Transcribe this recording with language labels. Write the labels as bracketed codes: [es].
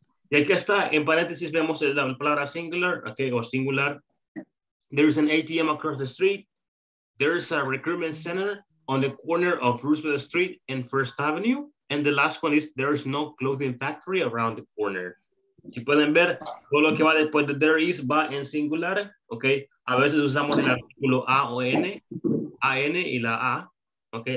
[es] Y aquí está, en paréntesis vemos la palabra singular, okay, o singular. [en] There's an ATM across the street. There's a recruitment center on the corner of Roosevelt Street and First Avenue. And the last one is there's no clothing factory around the corner. [es] Si pueden ver, todo lo que va después de there is va en singular, ¿ok? A veces usamos el artículo a o n, an y la a, ¿ok?